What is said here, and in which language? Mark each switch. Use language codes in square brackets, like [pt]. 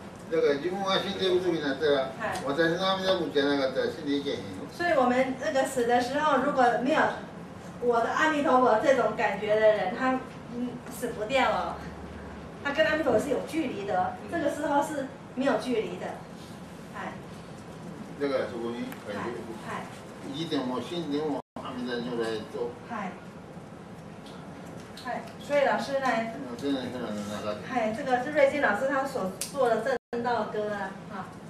[ja] だから自分が死んでいる時になったら、私の阿弥陀佛じゃなかったら死んでいけへんよ。 [zh] 所以我们那个死的时候，如果没有我的阿弥陀佛这种感觉的人，他死不掉哦。他跟阿弥陀佛是有距离的，这个时候是没有距离的。 [ja] だからそこに生きても死んでも阿弥陀如来と。 [zh] 所以老师呢，这个是瑞金老师他所做的正道歌啊，